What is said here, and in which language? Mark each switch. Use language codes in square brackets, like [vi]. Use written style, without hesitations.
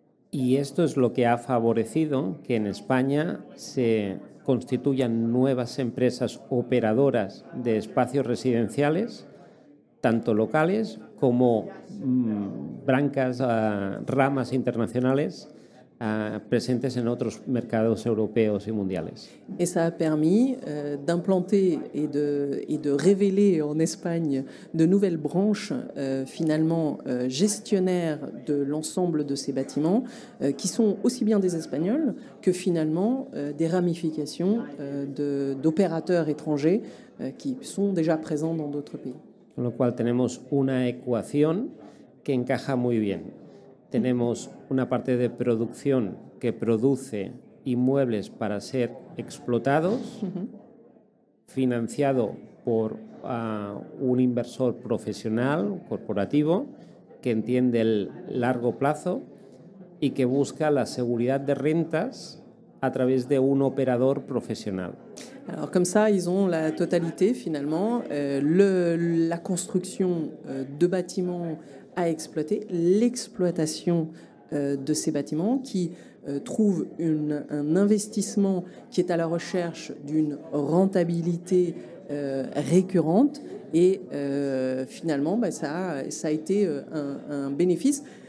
[es] Y esto es lo que ha favorecido que en España se constituyan nuevas empresas operadoras de espacios residenciales, tanto locales como brancas, ramas internacionales presentes en otros mercados europeos y mundiales. [fr] Et ça a permis d'implanter et de révéler en Espagne de nouvelles branches finalement gestionnaires de l'ensemble de ces bâtiments qui sont aussi bien des Espagnols que finalement des ramifications d'opérateurs étrangers qui sont déjà présents dans d'autres pays. [es] con lo cual tenemos una ecuación que encaja muy bien. Tenemos una parte de producción que produce inmuebles para ser explotados, financiado por un inversor profesional, corporativo, que entiende el largo plazo y que busca la seguridad de rentas [fr] à travers d'un opérateur professionnel. Alors comme ça, ils ont la totalité finalement, la construction de bâtiments à exploiter, l'exploitation de ces bâtiments qui trouvent un investissement qui est à la recherche d'une rentabilité récurrente et finalement bah, ça a été un bénéfice.